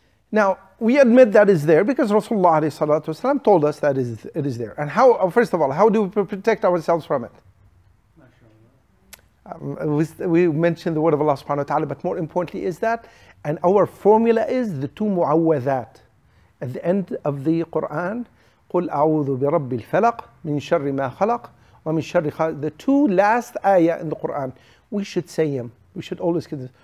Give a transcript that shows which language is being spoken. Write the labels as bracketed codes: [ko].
[en] Now, we admit that is there because Rasulullah ﷺ told us that it is there. And how, first of all, how do we protect ourselves from it? We mentioned the word of Allah subhanahu wa ta'ala, but more importantly is that, and our formula is the two mu'awwadhat. At the end of the Quran, [ar] قُلْ أَعُوذُ بِرَبِّ الْفَلَقِ مِنْ شَرِّ مَا خَلَقْ وَمِنْ شَرِّ خَلَقْ. [en] The two last ayah in the Quran, we should say them. We should always say this.